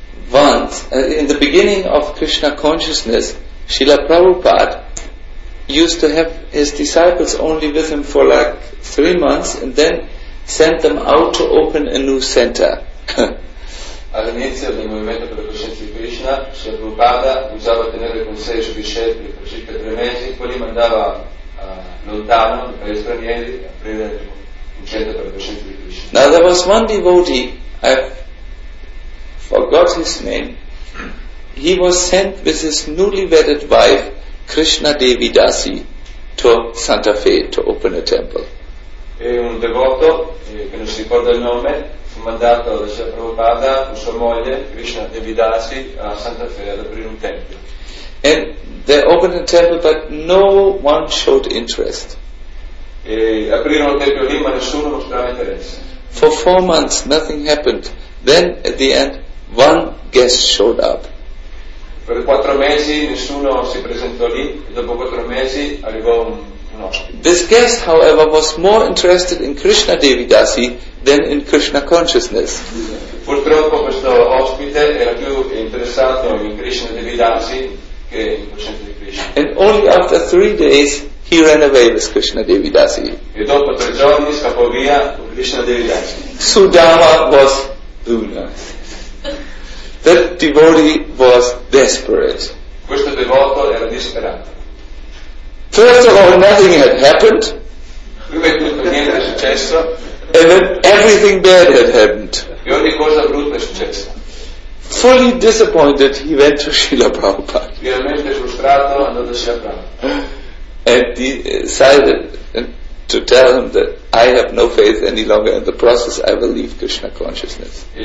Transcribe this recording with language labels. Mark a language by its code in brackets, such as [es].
[en] Once, in the beginning of Krishna consciousness, Srila Prabhupada used to have his disciples only with him for like 3 months and then sent them out to open a new center. [it] All'inizio del movimento per la coscienza di Krishna, Srila Prabhupada usava a tenere con sé i suoi discepoli per circa 3 mesi, poi li mandava lontano, per gli stranieri, a aprire un centro per la coscienza di Krishna. [en] Now there was one devotee, I forgot his name. He was sent with his newly wedded wife, Krishna Devi Dasi, to Santa Fe to open a temple. [it] E un devoto che non si ricorda il nome fu mandato da Sri Prabhupada con sua moglie Krishna Devi Dasi a Santa Fe ad aprire un tempio. [en] And they opened a temple, but no one showed interest. [it] E aprirono il tempio lì, ma nessuno mostrava interesse. [en] For 4 months nothing happened. Then at the end one guest showed up. [it] Per 4 mesi nessuno si presentò lì, dopo 4 mesi arrivò un ospite. [en] This guest, however, was more interested in Krishna Devi Dasi than in Krishna consciousness. [it] Purtroppo questo ospite era più interessato in Krishna Devi Dasi che in coscienza di Krishna. [en] And only after 3 days he ran away with Krishna Devi Dasi. [it] E dopo 3 giorni scappò via con Krishna Devi Dasi. [en] Sudama was Luna. That devotee was desperate. [it] Questo devoto era disperato. [en] First of all, nothing had happened. [it] Prima di tutto niente è successo. [en] And then everything bad had happened. [it] E ogni cosa brutta è successa. [en] Fully disappointed, he went to Srila Prabhupada. [it] Veramente frustrato, andò da Srila Prabhupada. [en] And decided to tell him that I have no faith any longer in the process, I will leave Krishna consciousness.